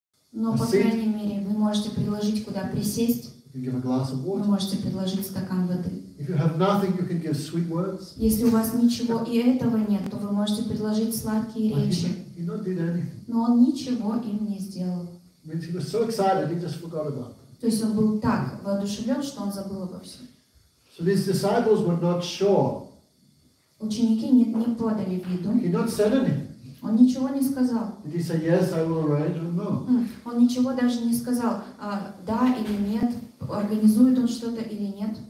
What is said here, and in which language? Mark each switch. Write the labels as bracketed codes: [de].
[ru] но, [en] a [ru] по [en] seat. [ru] Крайней мере, вы можете предложить, куда присесть. [en] You can give a glass of water. [ru] Вы можете предложить стакан воды. [en] If you have nothing, you can give sweet words. [ru] Если у вас ничего и этого нет, то вы можете предложить сладкие речи. Но он ничего им не сделал. [en] He was so excited, he just forgot about them. [ru] То есть он был так воодушевлен, что он забыл обо всем. [en] So these disciples were not sure. [ru] Ученики не подали виду. [en] He not said anything. [ru] Он ничего не сказал. [en] Did he say, yes, I will arrange, or no? [ru] Он ничего даже не сказал, да или нет, организует он что-то или нет.